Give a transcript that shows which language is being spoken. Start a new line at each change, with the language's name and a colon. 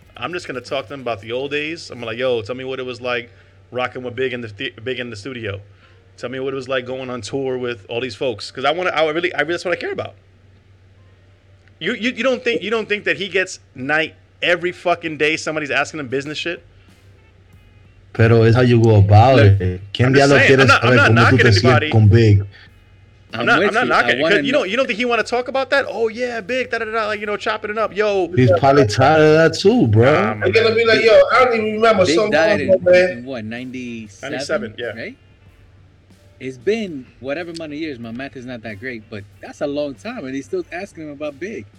English: I'm just going to talk to them about the old days. I'm like, yo, tell me what it was like rocking with Big in the studio. Tell me what it was like going on tour with all these folks, because that's what I care about. You don't think that he gets night every fucking day? Somebody's asking him business shit.
Spanish: Pero es
English: how you go about it.
Spanish: ¿Quién diablo quiere saber cómo tú te sientes con Big?
English: I'm not knocking. You don't think he want to talk about that? Oh yeah, Big, da da da, like, you know, chopping it up, yo. He's probably tired of that too, bro. Nah, he's gonna be like, yo, I don't even remember. Big died in what, 97? 97, yeah. Right? It's been whatever amount of years. My math is not that great, but that's a long time, and he's still asking him about Big.